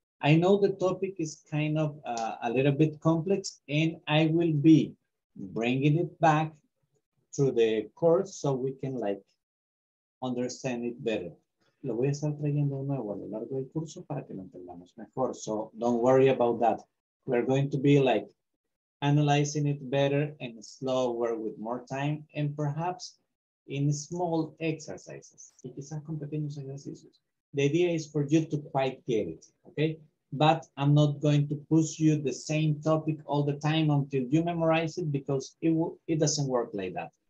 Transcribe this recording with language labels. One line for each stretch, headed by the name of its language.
English: I know the topic is kind of a little bit complex, and I will be bringing it back through the course so we can like understand it better.
Spanish: Lo voy a estar trayendo de nuevo a lo largo del curso para que lo entendamos mejor.
English: So don't worry about that. We're going to be like analyzing it better and slower with more time and perhaps in small exercises.
Spanish: Y quizás con pequeños ejercicios.
English: The idea is for you to quite get it, okay? But I'm not going to push you the same topic all the time until you memorize it because it doesn't work like that.